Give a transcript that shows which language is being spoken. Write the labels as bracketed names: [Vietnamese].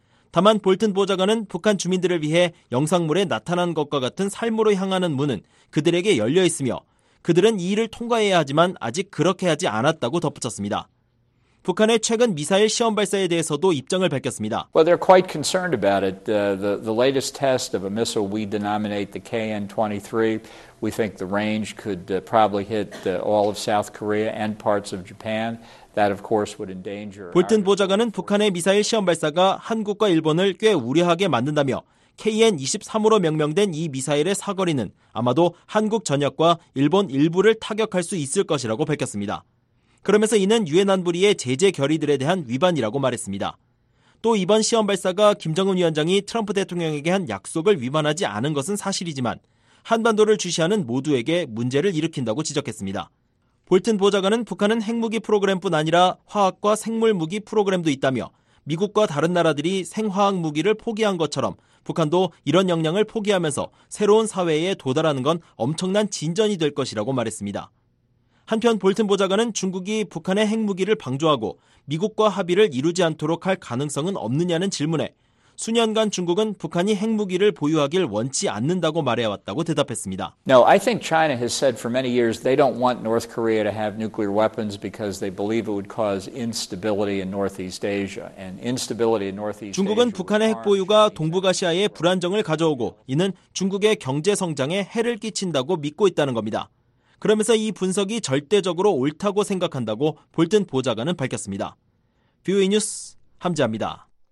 [Korean] 다만 볼튼 보좌관은 북한 주민들을 위해 영상물에 나타난 것과 같은 삶으로 향하는 문은 그들에게 열려 있으며 그들은 이 일을 통과해야 하지만 아직 그렇게 하지 않았다고 덧붙였습니다. 북한의 최근 미사일 시험 발사에 대해서도 입장을 밝혔습니다. [English] Well, they're quite concerned about it. The latest test of a missile we denominate the KN-23, we think the range could probably hit all of South Korea and parts of Japan. That of course would endanger. [Korean] 볼튼 보좌관은 북한의 미사일 시험 발사가 한국과 일본을 꽤 우려하게 만든다며 KN-23으로 명명된 이 미사일의 사거리는 아마도 한국 전역과 일본 일부를 타격할 수 있을 것이라고 밝혔습니다. 그러면서 이는 유엔 안보리의 제재 결의들에 대한 위반이라고 말했습니다. 또 이번 시험 발사가 김정은 위원장이 트럼프 대통령에게 한 약속을 위반하지 않은 것은 사실이지만 한반도를 주시하는 모두에게 문제를 일으킨다고 지적했습니다. 볼튼 보좌관은 북한은 핵무기 프로그램뿐 아니라 화학과 생물무기 프로그램도 있다며 미국과 다른 나라들이 생화학 무기를 포기한 것처럼 북한도 이런 역량을 포기하면서 새로운 사회에 도달하는 건 엄청난 진전이 될 것이라고 말했습니다. 한편 볼튼 보좌관은 중국이 북한의 핵무기를 방조하고 미국과 합의를 이루지 않도록 할 가능성은 없느냐는 질문에 수년간 중국은 북한이 핵무기를 보유하길 원치 않는다고 말해왔다고 대답했습니다. [English] No, I think China has said for many years they don't want North Korea to have nuclear weapons because they believe it would cause instability in Northeast Asia. And instability in Northeast Asia. [Korean] 중국은 북한의 핵 보유가 동북아시아에 불안정을 가져오고 이는 중국의 경제 성장에 해를 끼친다고 믿고 있다는 겁니다. 그러면서 이 분석이 절대적으로 옳다고 생각한다고 볼튼 보좌관은 밝혔습니다. 뷰이 뉴스 함지아입니다.